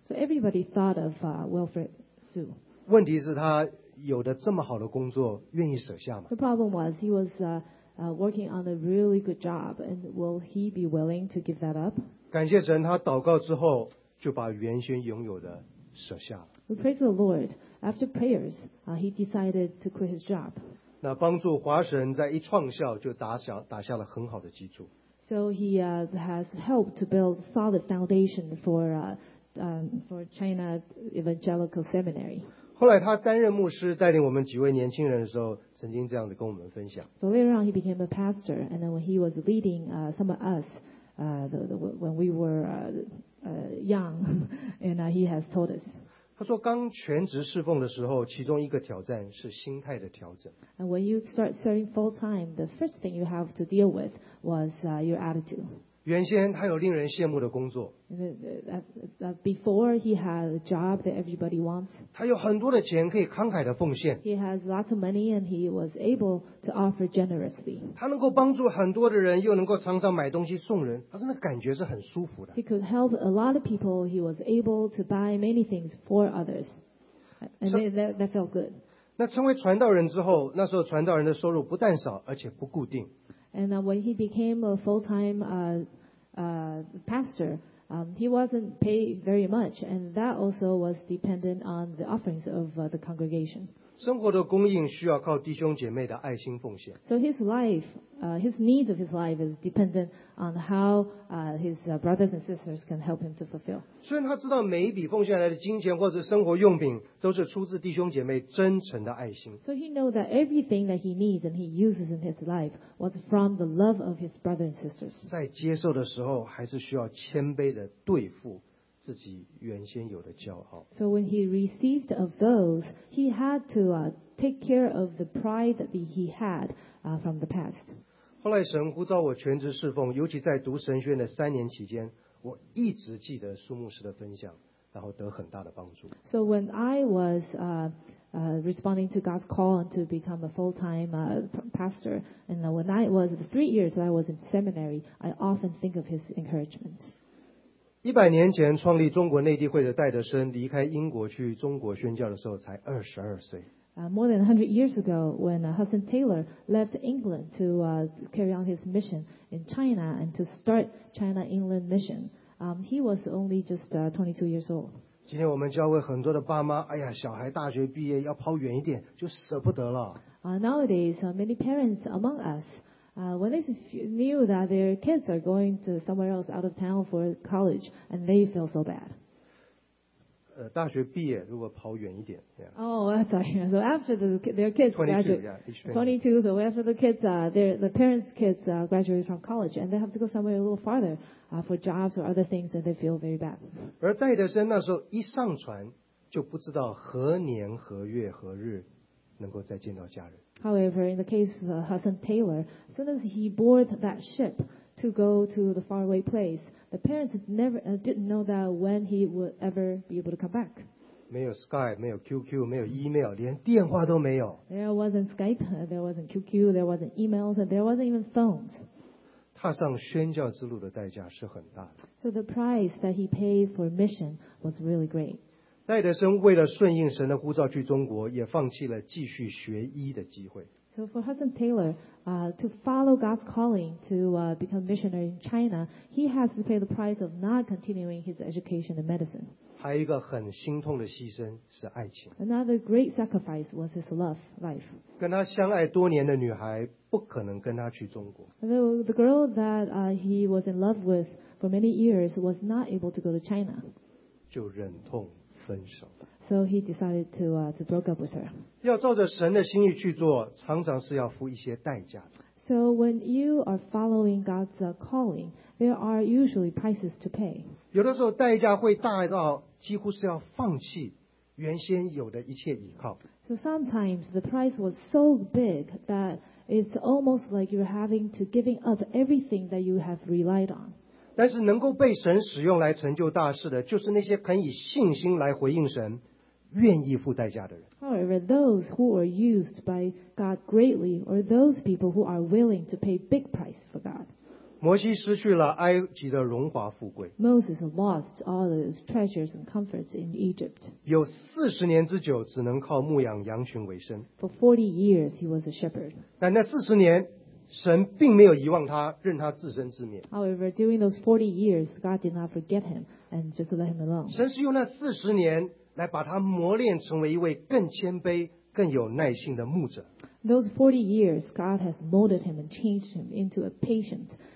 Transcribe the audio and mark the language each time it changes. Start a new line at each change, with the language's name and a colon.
English: So everybody thought of Wilfred Sue.
Chinese: 问题是他有的这么好的工作愿意舍下吗？
English: The problem was he was working on a really good job, and will he be willing to give that up?
Chinese: 感谢神，他祷告之后就把原先拥有的舍下了。
English: We praise the Lord. After prayers, he decided to quit his job.
Chinese: 那帮助华神在一创校就打下了很好的基础。
English: So he has helped to build solid foundation for China Evangelical Seminary.
Chinese: 后来他担任牧师，带领我们几位年轻人的时候，曾经这样子跟我们分享。
English: So later on, he became a pastor, and then when he was leading some of us, when we were young, and he has told us.
Chinese: 他说，刚全职侍奉的时候，其中一个挑战是心态的调整。
English: And when you start serving full time, the first thing you have to deal with was your attitude.
Chinese: 原先他有令人羡慕的工作。
English: Before he had a job that everybody wants.
Chinese: 他有很多的钱可以慷慨的奉献。
English: He has lots of money and he was able to offer generously.
Chinese: 他能够帮助很多的人，又能够常常买东西送人，他真的感觉是很舒服的。
English: He could help a lot of people. He was able to buy many things for others, and that felt good.
Chinese: 那成为传道人之后，那时候传道人的收入不但少，而且不固定。
English: And when he became a full-time pastor, he wasn't paid very much, and that also was dependent on the offerings of the congregation.
Chinese: 生活的供应需要靠弟兄姐妹的爱心奉献。
English: So his life, his needs of his life is dependent on how his brothers and sisters can help him to fulfill.
Chinese: 虽然他知道每一笔奉献来的金钱或者生活用品都是出自弟兄姐妹真诚的爱心。
English: So he knows that everything that he needs and he uses in his life was from the love of his brothers and sisters.
Chinese: 在接受的时候还是需要谦卑的对付自己原先有的骄傲。
English: So when he received of those, he had to take care of the pride that he had from the past.
Chinese: 后来神呼召我全职侍奉，尤其在读神学院的三年期间，我一直记得苏牧师的分享，然后得很大的帮助。
English: So when I was responding to God's call and to become a full-time pastor, and when I was the 3 years that I was in seminary, I often think of his encouragement.
Chinese: 100年前创立中国内地会的戴德生离开英国去中国宣教的时候才22岁。
English: More than 100 years ago, when Hudson Taylor left England to carry on his mission in China and to start China-England mission, he was only just 22 years old.
Chinese: 今天我们教会很多的爸妈，哎呀，小孩大学毕业要跑远一点，就舍不得了。
English: Nowadays, many parents among us,when they knew that their kids are going to somewhere else out of town for college, and they feel so bad.
Chinese: 大学毕业如果跑远一点。
English: Yeah. Oh, sorry. So after their kids graduate, 22, yeah, 22. So after the kids, the parents' kids graduate from college, and they have to go somewhere a little farther for jobs or other things, and they feel very bad.
Chinese: 而戴德生那时候一上船，就不知道何年何月何日能够再见到家人。
English: However, in the case of Hudson Taylor, as soon as he boarded that ship to go to the faraway place, the parents never, didn't know that when he would ever be able to come back.
Chinese: 没有 Skype, 没有 QQ, 没有 email, 连电话都没有。
English: There wasn't Skype, there wasn't QQ, there wasn't emails, and there wasn't even phones.
Chinese: 踏上宣教之路的代价是很大的。
English: So the price that he paid for mission was really great.
Chinese: 戴德生为了顺应神的呼召去中国，也放弃了继续学医的机会。
English: So for Hudson Taylor, to follow God's calling to become missionary in China, he has to pay the price of not continuing his education in medicine.
Chinese: 还有一个很心痛的牺牲是爱情。
English: Another great sacrifice was his love life.
Chinese: 跟他相爱多年的女孩不可能跟他去中国。
English: The girl that he was in love with for many years was not able to go to China.
Chinese: 就忍痛。
English: So he decided to break up with her.
Chinese: 要照着神的心意去做，常常是要付一些代价的。
English: So when you are following God's calling, there are usually prices to pay.
Chinese: 有的时候代价会大到几乎是要放弃原先有的一切依靠。
English: So sometimes the price was so big that it's almost like you're having to giving up everything that you have relied on.
Chinese: 但是能够被神使用来成就大事的，就是那些肯以信心来回应神、愿意付代价的人。
English: However, those who are used by God greatly, or those people who are willing to pay big price for God.
Chinese: 摩西失去了埃及的荣华富贵。
English: Moses lost all the treasures and comforts in Egypt.
Chinese: 有四十年之久，只能靠牧养羊群为生。
English: For 40 years, he was a shepherd.
Chinese: 但那四十年，神并没有遗忘他，任他自生自灭。
English: However, during those 40 years, God did not forget him and just let him alone.
Chinese: 神是用那四十年来把他磨练成为一位更谦卑、更有耐心的牧者。
English: Those 40 years, God has molded him and changed him into a patient.